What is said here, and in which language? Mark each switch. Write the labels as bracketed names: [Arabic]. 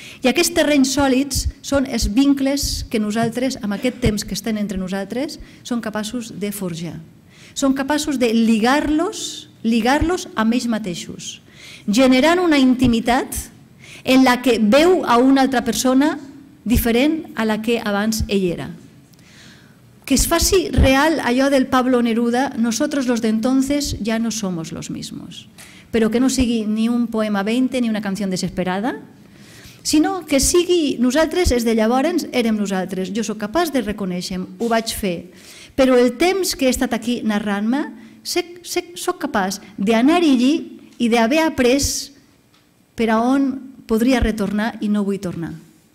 [Catalan] I aquests terrenys sòlids són els vincles que nosaltres, amb aquest temps que estem entre nosaltres, som capaços de forjar. Som capaços de ligar-los amb ells mateixos, generant una intimitat en la que veu a una altra persona diferent a la que abans ell era. Que es faci real allò del [Spanish] Pablo Neruda, nosotros los de entonces ya no somos los mismos. [Catalan] Però que no sigui ni un poema 20 ni una canció desesperada, sinó que sigui nosaltres, des de llavors érem nosaltres, jo soc capaç de reconèixer, ho vaig fer, però el temps que he estat aquí narrant-me, soc capaç d'anar allí i d'haver après per a on podria retornar i no vull tornar.